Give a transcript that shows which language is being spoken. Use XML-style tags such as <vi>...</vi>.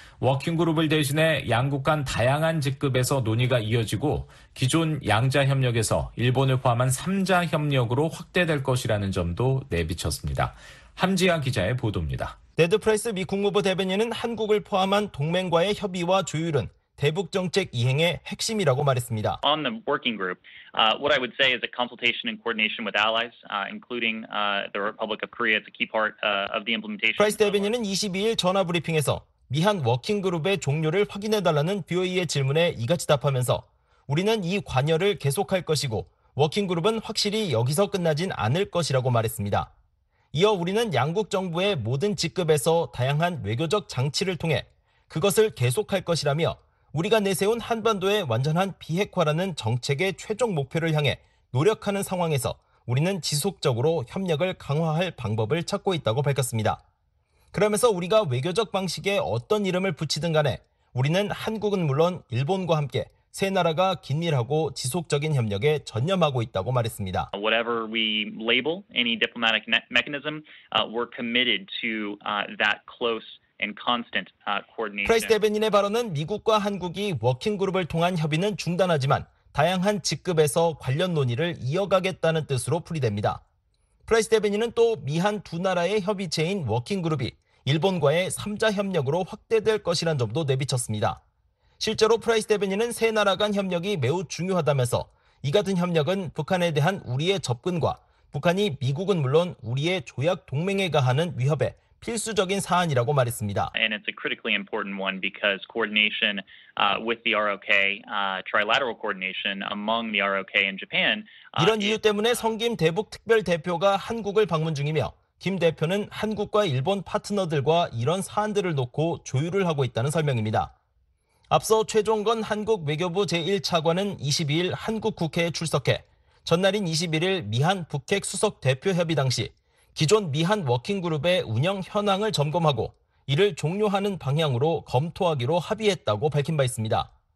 <ko>워킹그룹을 대신해 양국 간 다양한 직급에서 논의가 이어지고 기존 양자 협력에서 일본을 포함한 3자 협력으로 확대될 것이라는 점도 내비쳤습니다. 함지아 기자의 보도입니다. 네드 프라이스 미 국무부 대변인은 한국을 포함한 동맹과의 협의와 조율은 대북 정책 이행의 핵심이라고 말했습니다.</ko> <en>On the working group, what I would say is a consultation and coordination with allies, including the Republic of Korea is a key part of the implementation.</en> <ko>프라이스 대변인은 22일 전화 브리핑에서 미한 워킹 그룹의 종료를 확인해 달라는 BOE의 질문에 이같이 답하면서 우리는 이 관여를 계속할 것이고 워킹 그룹은 확실히 여기서 끝나진 않을 것이라고 말했습니다. 이어 우리는 양국 정부의 모든 직급에서 다양한 외교적 장치를 통해 그것을 계속할 것이라며 우리가 내세운 한반도의 완전한 비핵화라는 정책의 최종 목표를 향해 노력하는 상황에서 우리는 지속적으로 협력을 강화할 방법을 찾고 있다고 밝혔습니다. 그러면서 우리가 외교적 방식에 어떤 이름을 붙이든 간에 우리는 한국은 물론 일본과 함께 세 나라가 긴밀하고 지속적인 협력에 전념하고 있다고 말했습니다.</ko> <en>Whatever we label any diplomatic mechanism, we're committed to that close and constant coordination.</en> <ko>프라이스 대변인의 발언은 미국과 한국이 워킹그룹을 통한 협의는 중단하지만 다양한 직급에서 관련 논의를 이어가겠다는 뜻으로 풀이됩니다. 프라이스 대변인은 또 미한 두 나라의 협의체인 워킹그룹이 일본과의 3자 협력으로 확대될 것이란 점도 내비쳤습니다. 실제로 프라이스 대변인은 세 나라 간 협력이 매우 중요하다면서 이 같은 협력은 북한에 대한 우리의 접근과 북한이 미국은 물론 우리의 조약 동맹에 가하는 위협에 필수적인 사안이라고 말했습니다.</ko> <en>And it's a critically important one because coordination with the ROK, trilateral coordination among the ROK and Japan.</en> <ko>이런 이유 때문에 성김 대북 특별 대표가 한국을 방문 중이며 김 대표는 한국과 일본 파트너들과 이런 사안들을 놓고 조율을 하고 있다는 설명입니다. 앞서 최종건 한국 외교부 제1차관은 22일 한국 국회에 출석해 전날인 21일 미한 북핵 수석 대표 협의 당시 기존 미한 워킹그룹의 운영 현황을 점검하고 이를 종료하는 방향으로 검토하기로 합의했다고 밝힌 바 있습니다.</ko>